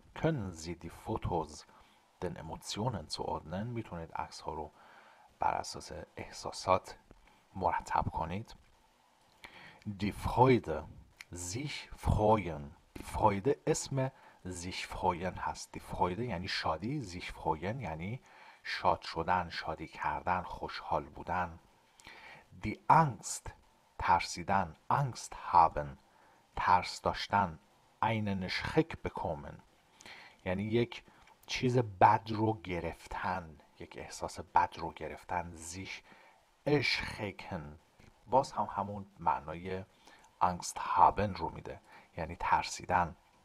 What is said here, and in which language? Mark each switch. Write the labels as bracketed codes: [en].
[de] Können Sie die Fotos den Emotionen zuordnen? [fa] میتونید عکس ها رو بر اساس احساسات مرتب کنید. [de] Die Freude. sich freuen. Freude [fa] اسم [de] sich freuen [fa] هست. [de] die Freude [fa] یعنی شادی، [de] sich freuen [fa] یعنی شاد شدن، شادی کردن، خوشحال بودن. [de] die Angst [fa] ترسیدن، [de] Angst haben [fa] ترس داشتن. [de] einen Schreck bekommen [fa] یعنی یک چیز بد رو گرفتن، یک احساس بد رو گرفتن. [de] sich erschrecken [fa] باز هم همون معنای [de] Angst haben [fa] رو میده، یعنی ترسیدن.